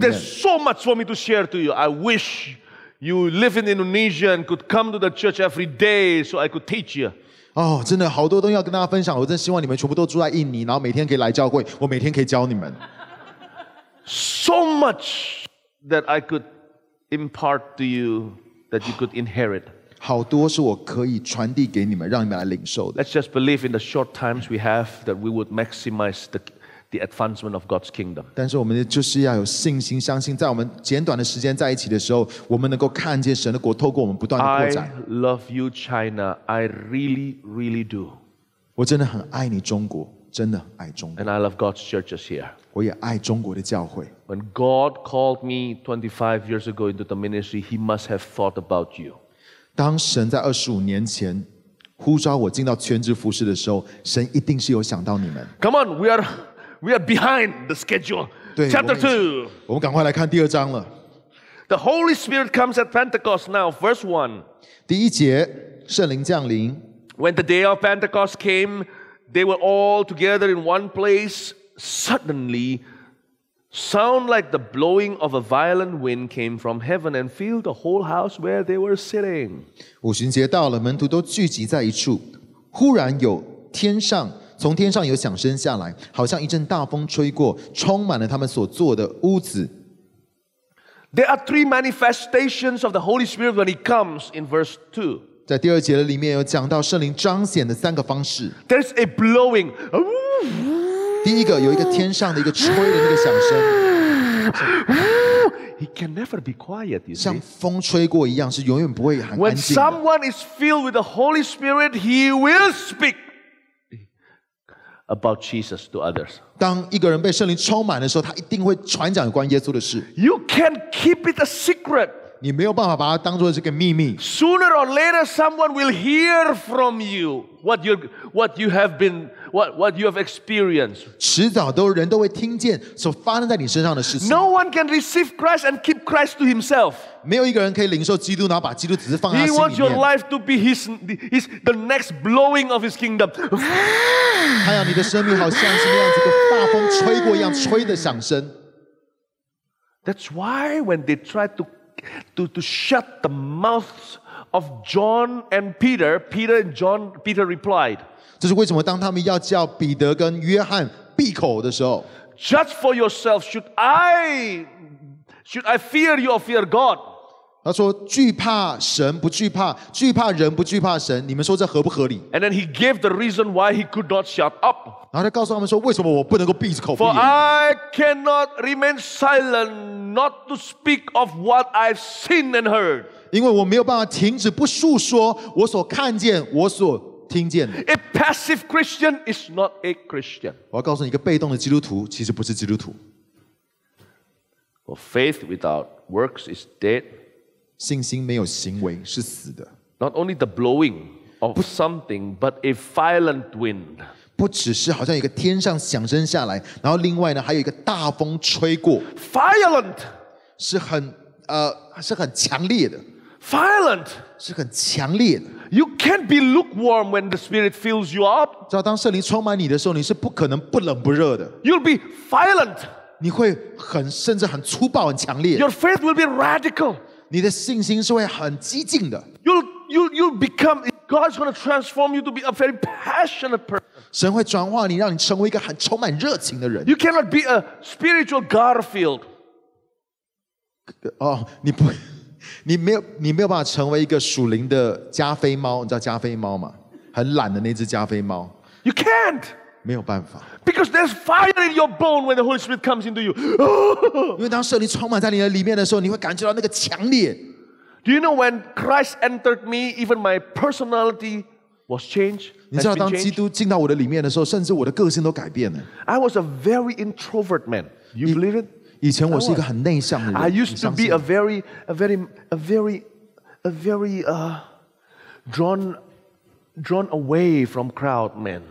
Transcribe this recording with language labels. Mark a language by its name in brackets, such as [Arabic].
[English] There's so much for me to share to you. I wish you live in Indonesia and could come to the church every day so I could teach you. [Chinese] 哦，真的好多东西要跟大家分享。我真希望你们全部都住在印尼，然后每天可以来教会，我每天可以教你们。 [English] So much that I could impart to you that you could inherit. [Chinese] 好多是我可以传递给你们，让你们来领受的。 [English] Let's just believe in the short times we have that we would maximize the advancement of God's kingdom. [Chinese] 但是我们就是要有信心，相信在我们简短的时间在一起的时候，我们能够看见神的国透过我们不断的扩展。 [English] I love you, China. I really, really do. [Chinese] 我真的很爱你，中国。真的爱中国。 [English] And I love God's churches here. [Chinese] 我也爱中国的教会。 [English] When God called me 25 years ago into the ministry, He must have thought about you. [Chinese] 当神在25年前呼召我进到全职服事的时候，神一定是有想到你们。 [English] Come on, we are behind the schedule. [Chinese] 对 [English] Chapter 2. [Chinese] 我们赶快来看第二章了。 [English] The Holy Spirit comes at Pentecost now, verse 1. [Chinese] 第一节，圣灵降临。 [English] When the day of Pentecost came, they were all together in one place. Suddenly, sound like the blowing of a violent wind came from heaven and filled the whole house where they were sitting. [Chinese] 五旬节到了，门徒都聚集在一处。忽然有天上，从天上有响声下来，好像一阵大风吹过，充满了他们所坐的屋子。 [English] There are three manifestations of the Holy Spirit when He comes in verse 2. [Chinese] 在第二节里面有讲到圣灵彰显的三个方式。 [English] There's a blowing. [Chinese] 第一个有一个天上的一个吹的那个响声。 [English] He can never be quiet, you see. [Chinese] 像风吹过一样是永远不会很安静的。 [English] When someone is filled with the Holy Spirit, he will speak about Jesus to others. [Chinese] 当一个人被圣灵充满的时候，他一定会传讲有关耶稣的事。 [English] You can't keep it a secret. [Chinese] 你没有办法把它当作是个秘密。 [English] Sooner or later, someone will hear from you what you have experienced. [Chinese] 迟早都人都会听见所发生在你身上的事情。 [English] No one can receive Christ and keep Christ to himself. [Chinese] 没有一个人可以领受基督，然后把基督只是放在心里面。 [English] He wants your life to be his the next blowing of his kingdom. [Chinese] 他要你的生命好像是那样子的大风吹过一样吹的响声。 [English] That's why when they tried to shut the mouths of John and Peter, Peter and John, Peter replied. [Chinese] 这是为什么当他们要叫彼得跟约翰闭口的时候 [English] Judge for yourself, should I fear you or fear God? [Chinese] 他说惧怕神不惧怕，惧怕人不惧怕神，你们说这合不合理？ [English] And then he gave the reason why he could not shut up. [Chinese] 然后他告诉他们说为什么我不能够闭口闭眼。 [English] For I cannot remain silent not to speak of what I've seen and heard. [Chinese] 因为我没有办法停止不述说我所看见我所 [English] A passive Christian is not a Christian. [Chinese] 我要告诉你，一个被动的基督徒其实不是基督徒。 [English] For faith without works is dead. [Chinese] 信心没有行为是死的。 [English] Not only the blowing of something, but a violent wind. [Chinese] 不只是好像一个天上响声下来，然后另外呢，还有一个大风吹过。 [English] Violent [Chinese] 是很强烈的。 [English] Violent [Chinese] 是很强烈的。 [English] You can't be lukewarm when the Spirit fills you up. [Chinese] 知道当圣灵充满你的时候，你是不可能不冷不热的。 [English] You'll be violent. [Chinese] 你会很甚至很粗暴、很强烈。 [English] Your faith will be radical. [Chinese] 你的信心是会很激进的。 [English] You'll become God's going to transform you to be a very passionate person. [Chinese] 神会转化你，让你成为一个很充满热情的人。 [English] You cannot be a spiritual Garfield. [Chinese] 哦，你不。你没有办法成为一个属灵的加菲猫，你知道加菲猫吗？很懒的那只加菲猫。 [English] You can't. [Chinese] 没有办法。 [English] Because there's fire in your bone when the Holy Spirit comes into you. [Chinese] 因为当圣灵充满在你的里面的时候，你会感觉到那个强烈。 [English] Do you know when Christ entered me, even my personality was changed? [Chinese] 你知道当基督进到我的里面的时候，甚至我的个性都改变了。 [English] I was a very introvert man. You believe it? [Chinese] 以前我是一个很内向的人。 [English] I used to be a very drawn away from crowd man.